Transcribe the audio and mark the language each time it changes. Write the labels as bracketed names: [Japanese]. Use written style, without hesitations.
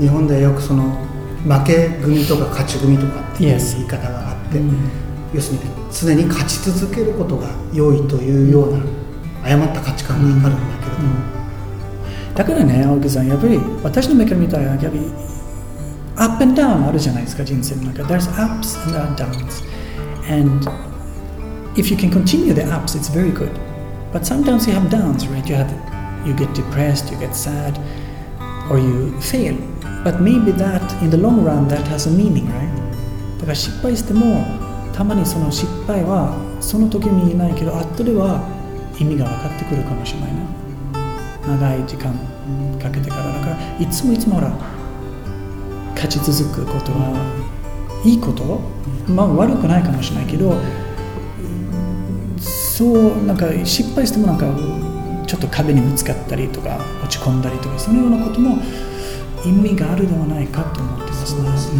[Japanese] 日本ではよくその負け組とか勝ち組とかっていう言い方があって、yes. mm. 要するに常に勝ち続けることが良いというような誤った価値観があるんだけれども、mm. だからね、青木さん、やっぱり私の目から見たらやっぱりアップダウンあるじゃないですか、人生の中。 [English] There's ups and downs. And if you can continue the ups, it's very good. But sometimes you have downs, right? You get depressed, you get sad, or you fail. But maybe that, in the long run, that has a meaning, right? [Japanese] だから失敗しても、たまにその失敗は、その時に言えないけど、後では意味が分かってくるかもしれないな。長い時間かけてから、だから、いつもいつもほら、勝ち続くことは、いいこと、まあ悪くないかもしれないけど、そう、なんか失敗してもなんか、ちょっと壁にぶつかったりとか落ち込んだりとかそのようなことも意味があるではないかと思ってます、ね、